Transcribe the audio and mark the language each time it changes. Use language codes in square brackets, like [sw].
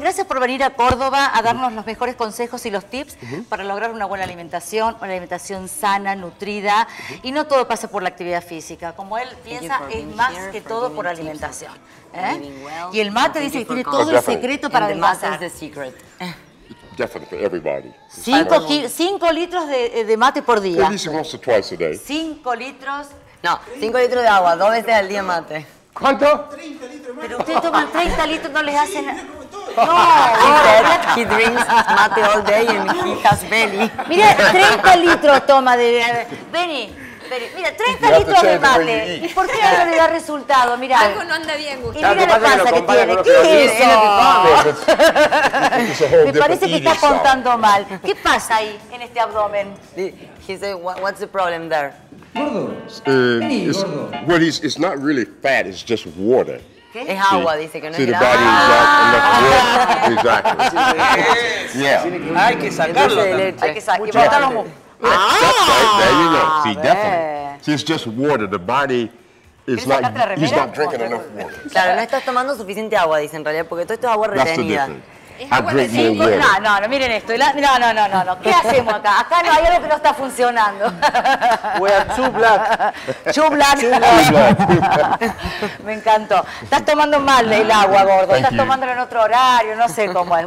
[es] Gracias por venir a Córdoba a darnos los mejores consejos y los tips para lograr una buena alimentación, una alimentación sana, nutrida. Y no todo pasa por la actividad física. Como él piensa, es más que todo por la alimentación. Y el mate dice que tiene todo el secreto para adelgazar. [en] Definitely for everybody. [es] 5 litros de mate por día. [en] At least once or twice a day. [es] 5 litros. No, 5 litros de agua, 2 veces al día mate. ¿Cuánto? 30 litros de mate. Pero ustedes toman 30 litros, no les hacen... [en] No, he drinks mate all day and he has belly. [es] Mira, 30 litros toma de... Vení. Mira, 30 litros de mate. ¿Y por qué no le da resultado? Mira, algo no anda bien, Gustavo. Y mira la panza que tiene. ¿Qué es eso? Me parece que está contando mal. ¿Qué pasa ahí en este abdomen? [en] He said, what's the problem there? It's not really fat, it's just water. [es] Es agua, dice que no es [en] See, the body is not enough water. Exactly. Yes. Yeah. [es] Hay que sacarlo. Hay que sacarlo. [en] Yeah. That's right, there you go. See, definitely. See, it's just water. The body is not, he's not drinking enough water. [es] Claro, no estás tomando suficiente agua, dice en realidad, porque todo esto es agua retenida. [en] That's the difference. [es] No, miren esto. No. ¿Qué hacemos acá? Acá no hay algo que no está funcionando. [en] We are too black. Too black. Too black. [es] Me encantó. Estás tomando mal el agua, gordo. Estás tomándolo en otro horario. No sé cómo es.